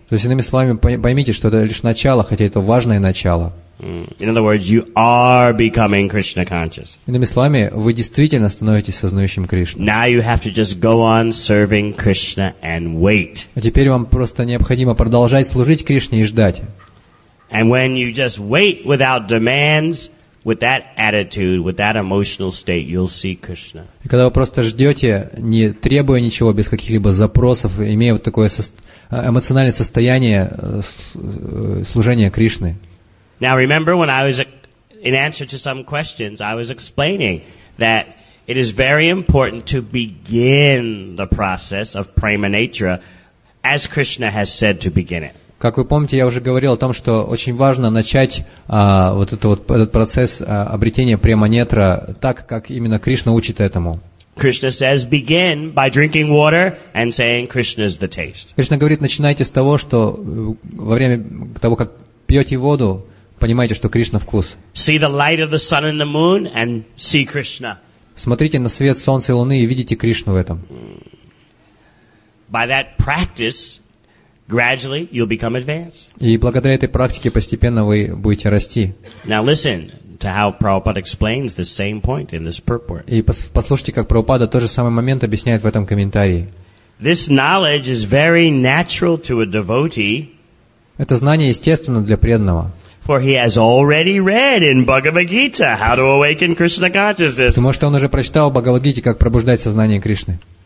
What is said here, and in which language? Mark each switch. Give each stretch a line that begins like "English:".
Russian: То есть, иными словами, поймите, что это лишь начало, хотя это важное начало.
English: In other words, you are becoming Krishna conscious.
Russian: Иными словами, вы действительно становитесь сознающим Кришну.
English: Now you have to just go on serving Krishna and wait.
Russian: А теперь вам просто необходимо продолжать служить Кришне и ждать.
English: And when you just wait without demands, with that attitude, with that emotional state, you'll see Krishna.
Russian: И когда вы просто ждете, не требуя ничего, без каких-либо запросов, имея вот такое эмоциональное состояние служения Кришны.
English: Now remember when I was in answer to some questions, I was explaining that it is very important to begin the process of prema natura as Krishna has said to begin it.
Russian: Как вы помните, я уже говорил о том, что очень важно начать этот процесс обретения према-нетра так, как именно Кришна учит этому.
English: Krishna says, begin by drinking water and saying, Krishna is the taste.
Russian: Кришна говорит, начинайте с того, что во время того, как пьете воду, понимаете, что Кришна вкус.
English: See the light of the sun and the moon and see Krishna.
Russian: Смотрите на свет солнца и луны и видите Кришну в этом.
English: By that practice, gradually you'll become advanced.
Russian: И благодаря этой практике постепенно вы будете расти.
English: Now listen to how Prabhupada explains the same point in this purport.
Russian: И послушайте, как Прабхупада тот же самый момент объясняет в этом комментарии.
English: This knowledge is very natural to a devotee.
Russian: Это знание естественно для преданного.
English: For he has already read in Bhagavad Gita how to awaken Krishna consciousness.
Russian: Потому что он уже прочитал в Бхагавад Гите, как пробуждать сознание Кришны.